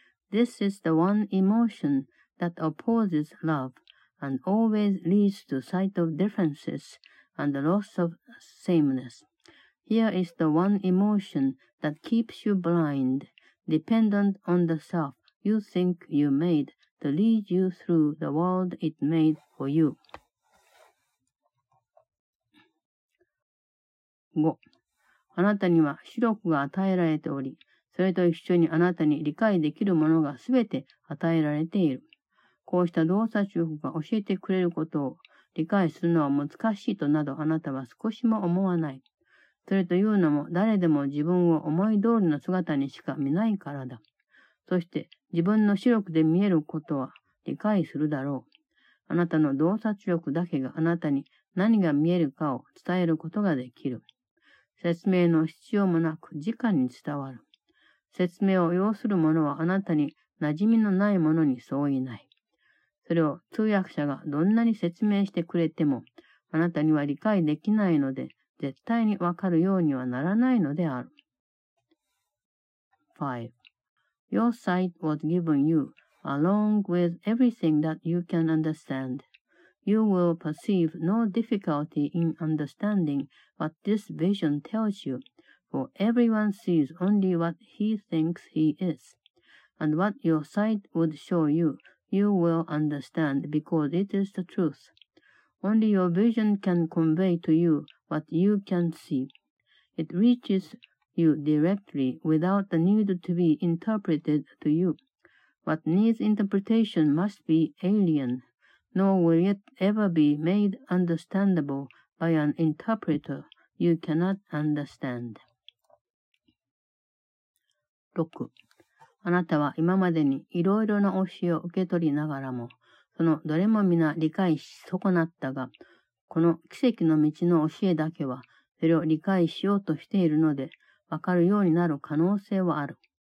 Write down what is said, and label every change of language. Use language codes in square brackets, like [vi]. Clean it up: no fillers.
[en] This is the one emotion that opposes love and always leads to sight of differences and the loss of sameness. Here is the one emotion that keeps you blind, dependent on the self you think you made to lead you through the world it made for you. [ja] 5. あなたには視力が与えられており、それと一緒にあなたに理解できるものがすべて与えられている。こうした洞察力が教えてくれることを理解するのは難しいとなどあなたは少しも思わない。それというのも誰でも自分を思い通りの姿にしか見ないからだ。そして自分の視力で見えることは理解するだろう。あなたの洞察力だけがあなたに何が見えるかを伝えることができる。説明の必要もなく直に伝わる。説明を要するものはあなたに馴染みのないものに相違ない。それを通訳者がどんなに説明してくれても、あなたには理解できないので、絶対にわかるようにはならないのである。 5. [en] Your sight was given you along with everything that you can understand. You will perceive no difficulty in understanding what this vision tells you, for everyone sees only what he thinks he is. And what your sight would show you, you will understand because it is the truth. Only your vision can convey to you what you can see. It reaches you directly without the need to be interpreted to you. What needs interpretation must be alien, nor will it ever be made understandable by an interpreter you cannot understand. 6. [ja] あなたは今までにいろいろな教えを受け取りながらも、そのどれも皆理解し損なったが、この奇跡の道の教えだけは、それを理解しようとしているので、わかるようになる可能性はある。